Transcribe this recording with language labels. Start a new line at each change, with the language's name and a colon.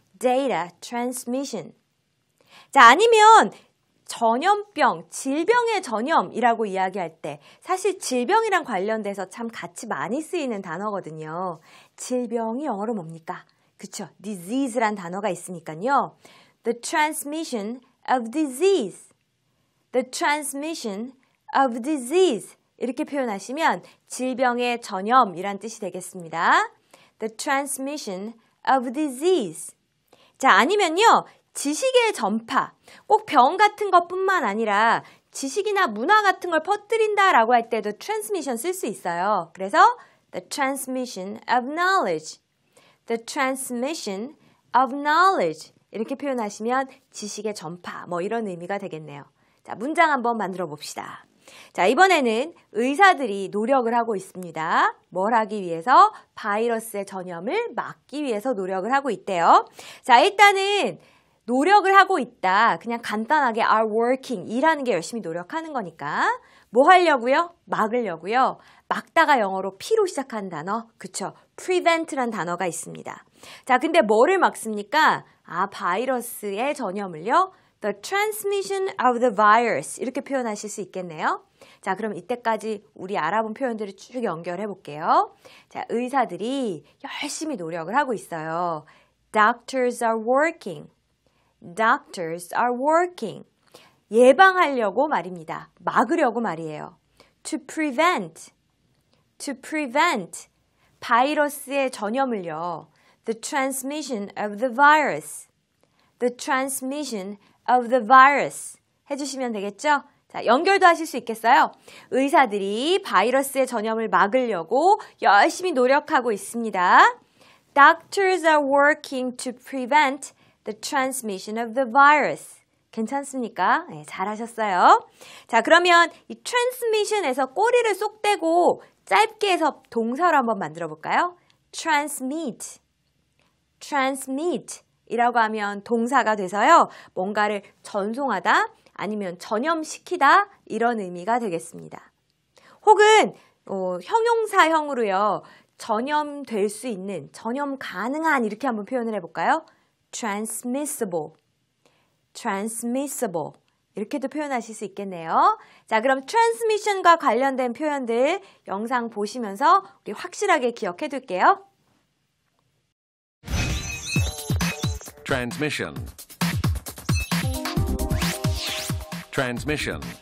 English: data transmission.
Korean: 자, 아니면 전염병, 질병의 전염이라고 이야기할 때 사실 질병이랑 관련돼서 참 같이 많이 쓰이는 단어거든요. 질병이 영어로 뭡니까? 그쵸, disease란 단어가 있으니까요.
English: The transmission of disease. The transmission of disease.
Korean: 이렇게 표현하시면 질병의 전염이란 뜻이 되겠습니다.
English: The transmission of disease.
Korean: 자, 아니면요. 지식의 전파, 꼭 병 같은 것뿐만 아니라 지식이나 문화 같은 걸 퍼뜨린다라고 할 때도 transmission 쓸 수 있어요. 그래서
English: the transmission of knowledge,
Korean: the transmission of knowledge 이렇게 표현하시면 지식의 전파, 뭐 이런 의미가 되겠네요. 자, 문장 한번 만들어 봅시다. 자, 이번에는 의사들이 노력을 하고 있습니다. 뭘 하기 위해서? 바이러스의 전염을 막기 위해서 노력을 하고 있대요. 자, 일단은 노력을 하고 있다. 그냥 간단하게
English: are working,
Korean: 일하는 게 열심히 노력하는 거니까. 뭐 하려고요? 막으려고요. 막다가 영어로 P로 시작하는 단어, 그쵸? prevent란 단어가 있습니다. 자, 근데 뭐를 막습니까? 아, 바이러스의 전염을요?
English: The transmission of the virus,
Korean: 이렇게 표현하실 수 있겠네요. 자, 그럼 이때까지 우리 알아본 표현들을 쭉 연결해 볼게요. 자, 의사들이 열심히 노력을 하고 있어요.
English: Doctors are working. Doctors are working.
Korean: 예방하려고 말입니다. 막으려고 말이에요.
English: To prevent. To prevent.
Korean: 바이러스의 전염을요.
English: The transmission of the virus. The transmission of the virus.
Korean: 해주시면 되겠죠? 자, 연결도 하실 수 있겠어요? 의사들이 바이러스의 전염을 막으려고 열심히 노력하고 있습니다.
English: Doctors are working to prevent the transmission of the virus.
Korean: 괜찮습니까? 네, 잘하셨어요. 자, 그러면 이 transmission에서 꼬리를 쏙 대고 짧게 해서 동사로 한번 만들어 볼까요?
English: transmit.
Korean: transmit 이라고 하면 동사가 돼서요. 뭔가를 전송하다 아니면 전염시키다 이런 의미가 되겠습니다. 혹은 형용사형으로요. 전염될 수 있는, 전염 가능한 이렇게 한번 표현을 해볼까요? transmissible, transmissible 이렇게도 표현하실 수 있겠네요. 자, 그럼 transmission과 관련된 표현들 영상 보시면서 우리 확실하게 기억해 둘게요.
English: transmission, transmission.